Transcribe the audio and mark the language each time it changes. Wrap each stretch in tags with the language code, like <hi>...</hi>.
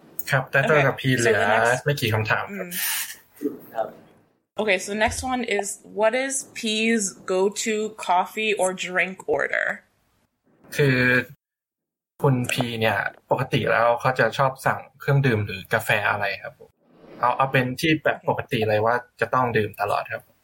<th>ครับแต่ตัวกับพี่เหลือไม่กี่คำถามครับ</th> <en>โอเค so the next one is what is P's go to coffee or drink order</en> <th>คือคุณ P เนี่ยปกติแล้วเขาจะชอบสั่งเครื่องดื่มหรือกาแฟอะไรครับเอาเป็นที่แบบปกติเลยว่าจะต้องดื่มตลอดครับ</th>